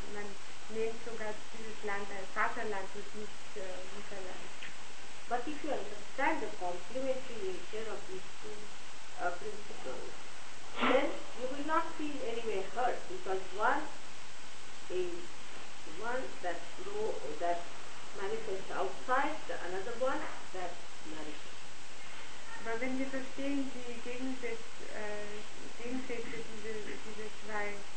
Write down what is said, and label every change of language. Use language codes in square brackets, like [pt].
[de] Man nennt sogar dieses Land ein Vaterland und nicht Mutterland. [en] But if you understand the complementary nature of these two principles, then you will not feel anyway hurt, because one that grows, that manifests outside, the another one that manifests. [de] Aber wenn wir verstehen, die Gegensätze, diese zwei